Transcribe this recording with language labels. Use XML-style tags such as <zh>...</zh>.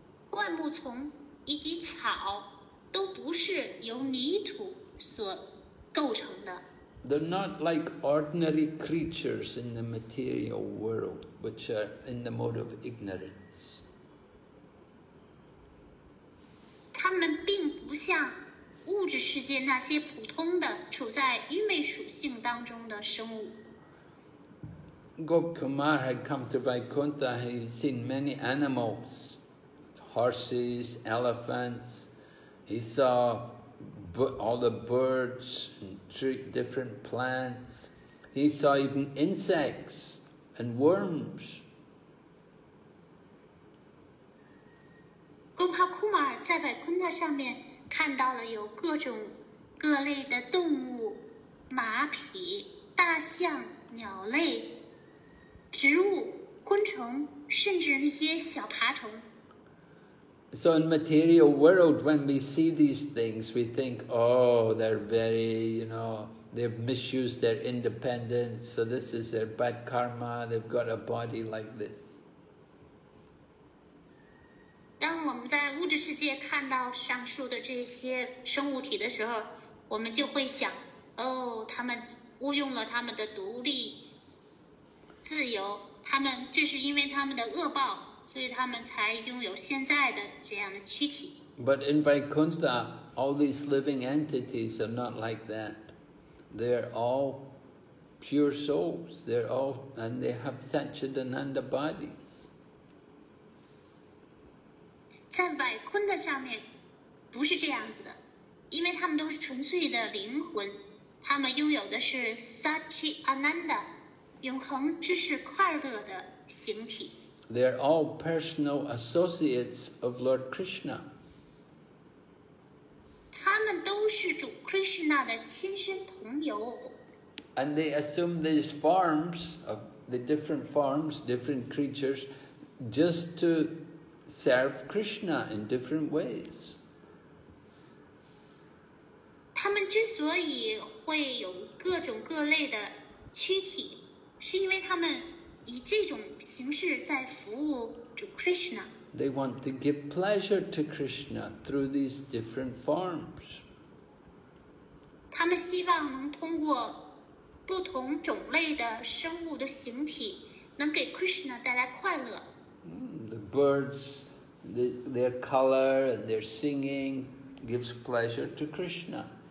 <zh>灌木丛以及草都不是由泥土所构成的。</zh> <en>They're not like ordinary creatures in the material world, which are in the mode of ignorance.</en> <zh>他们并不像物质世界那些普通的处在愚昧属性当中的生物。</zh> <en>Gop Kumar had come to Vaikuntha, he had seen many animals. Horses, elephants, he saw all the birds, and different plants, he saw even insects and worms.</en> <zh>Gopal Kumar 在百坤塔上面看到了有各种各类的动物，马匹、大象、鸟类、植物、昆虫，甚至那些小爬虫。</zh> <en>So in material world, when we see these things, we think, oh, they're very, you know, they've misused their independence, so this is their bad karma, they've got a body like this.</en> <zh>当我们在物质世界看到上述的这些生物体的时候，我们就会想，哦，他们误用了他们的独立、自由，他们这是因为他们的恶报。所以他们才拥有现在的这样的躯体。</zh> <en>But in Vaikuntha, all these living entities are not like that. They're all pure souls. They're all, and they have Satchidananda bodies.</en> <zh>在 Vaikuntha 上面不是这样子的，因为他们都是纯粹的灵魂，他们拥有的是 Satchidananda, 永恒知识快乐的形体。</zh> <en>They're all personal associates of Lord Krishna.</en> <zh>他们都是主 Krishna 的亲身同游。</zh> <en>And they assume these forms, of the different forms, different creatures, just to serve Krishna in different ways.</en> <zh>他们之所以会有各种各类的躯体，是因为他们以这种形式在服务主 Krishna.</zh> <en>They want to give pleasure to Krishna through these different forms.</en> <zh>他们希望能通过不同种类的生物的形体，能给 Krishna 带来快乐。</zh> <en>The birds, their color and their singing gives pleasure to Krishna.</en>